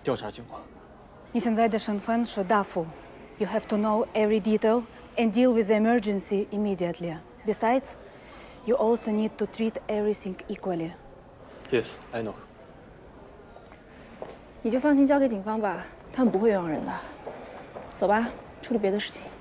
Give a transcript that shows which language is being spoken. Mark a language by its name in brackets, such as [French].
[Chinese] 需不需要去了解一下警方那边现在的调查情况？你现在的身份是大夫 [English] ，You have to know every detail and deal with the emergency immediately. Besides, you also need to treat everything equally. Yes, I know. [Chinese] 你就放心交给警方吧，他们不会冤枉人的。走吧，处理别的事情。